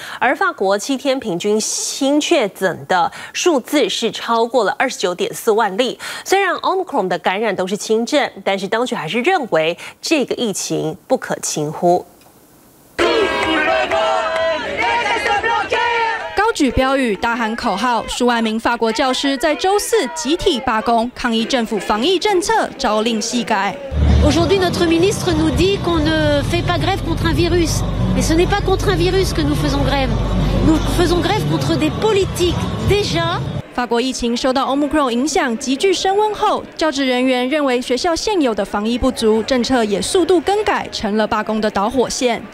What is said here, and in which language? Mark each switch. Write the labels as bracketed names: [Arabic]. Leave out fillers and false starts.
[Chinese] 而法国7天平均新确诊的数字是超过了29.4万例，虽然 Omicron的感染都是轻症，但是当局还是认为这个疫情不可轻忽。高举标语，大喊口号，数万名法国教师在周四集体罢工，抗议政府防疫政策朝令夕改。 [French] Aujourd'hui, notre ministre nous dit qu'on ne fait pas grève contre un virus, mais ce n'est pas contre un virus que nous faisons grève. Nous faisons grève contre des politiques déjà. [Chinese] 法国疫情受到 Omicron 影响急剧升温后，教职人员认为学校现有的防疫不足，政策也速度更改，成了罢工的导火线。